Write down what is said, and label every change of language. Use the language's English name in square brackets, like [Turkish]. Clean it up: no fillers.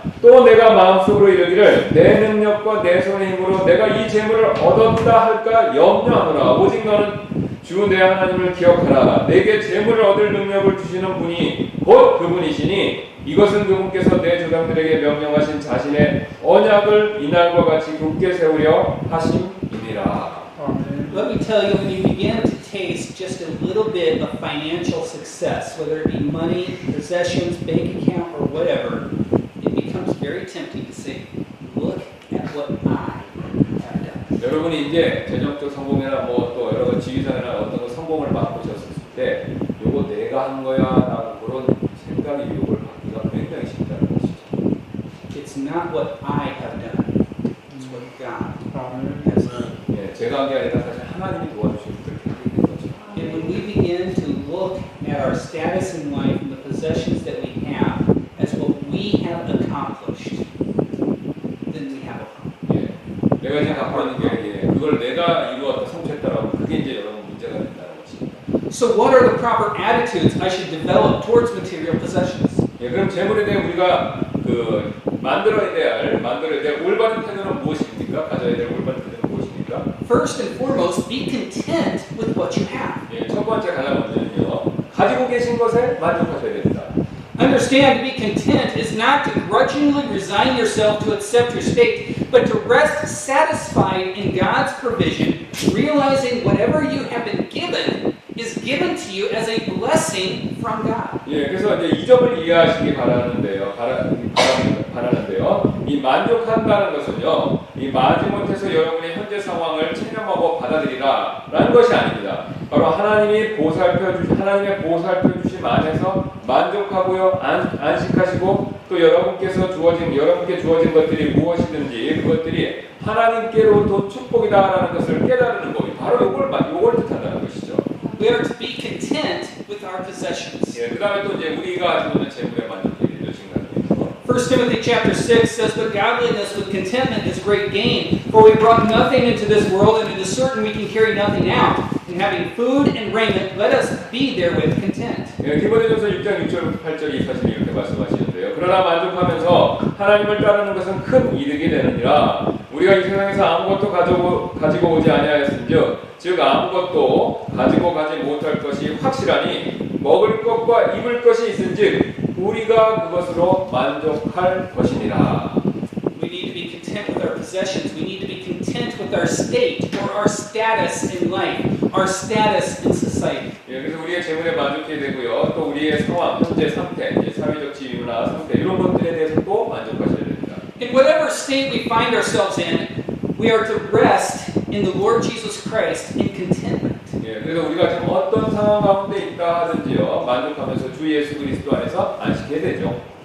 [Korean] 또 내가 마음속으로 이르기를 내 능력과 내 손의 힘으로 내가 이 재물을 얻었다 할까 염려하느라. 오직 너는 주 내 하나님을 기억하라. 내게 재물을 얻을 능력을 주시는 분이 곧 그분이시니 이것은 그분께서 내 조상들에게 명령하신 자신의 언약을 이날과 같이 굳게 세우려 하심이니라. [English] Let me tell you, when you begin to taste just a little bit of financial success, whether it be money, possessions, bank account, or whatever, it becomes very tempting to say, look at what I have done. [Korean] 여러분이 이제 재정적 성공이나 뭐 또 여러 가지 지위상이나 어떤 거 성공을 맛보셨을 때 이거 내가 한 거야 라고 그런 생각이 유혹을 받기가 굉장히 쉽다는 것이죠. [English] It's not what I have done. It's what God has done. [Korean] 제가 한 게 아니라 사실 하나님이 도와주신 것을 기억하는 거죠. [English] And when we begin to look at our status in life and the possessions that we have as what we have accomplished, then we have a problem. [Korean] 예. 내가 이제 갖고 있는 게 예. 그걸 내가 이루었다, 성취했다라고 그게 이제 여러분 문제가 된다. [English] So what are the proper attitudes I should develop towards material possessions? [Korean] 예, 그럼 재물에 대해 우리가 그 만들어야 될 올바른 태도는 무엇입니까? 가져야 될 올바른 태도는 무엇입니까? [English] First and foremost, be content with what you have. [Korean] 예, 첫 번째 가장 먼저는요. 가지고 계신 것에 만족하셔야 됩니다. [English] Understand, to be content is not to grudgingly resign yourself to accept your state, but to rest satisfied in God's provision, realizing whatever you have been given is given to you as a blessing from God. [Korean] 예, 그래서 이제 이 점을 이해하시기 바라는데요. 바라는데요. 이 만족한다는 것은요, 이 마지못해서 여러분의 현재 상황을 체념하고 받아들이라라는 것이 아닙니다. 바로 하나님의 보살펴 주심 안에서 만족하고요, 안식하시고 또 여러분께 주어진 것들이 무엇이든지 그것들이 하나님께로부터 축복이다라는 것을 깨달는 겁니다. 바로 이걸 뜻한다는 것이죠. [English] We are to be content with our possessions. [Korean] 예, 그다음에 또 이제 우리가 가지고 있는 재물에 만족해야 되는 것입니다. [English] 1 Timothy chapter 6 says, "But godliness with contentment is great gain. For we brought nothing into this world, and it is certain we can carry nothing out. And having food and raiment, let us be therewith content." [Korean] 예, 디모데전서 6장 6절부터 8절이 사실 이렇게 말씀하시는데요. 그러나 만족하면서 하나님을 따르는 것은 큰 이득이 되느니라. 우리가 이 세상에서 아무것도 가지고 오지 아니하였으니 즉 아무것도 가지고 가지 못할 것이 확실하니 먹을 것과 입을 것이 있은즉 우리가 그것으로 만족할 것이니라. [English] We need to be content with our possessions. We need to be content with our state or our status in life, our status in society. [Korean] 예, 그래서 우리의 재물에 만족해야 되고요. 또 우리의 상황, 현재 상태, 사회적 지위나 상태 이런 것들에 대해서도 만족하셔야 됩니다. [English] state we find ourselves in, we are to rest in the Lord Jesus Christ in contentment. [Korean] 예, 그래서 우리가 지금 어떤 상황 가운데 있다 하든지요, 만족하면서 주 예수 그리스도 안에서 안식해 되죠.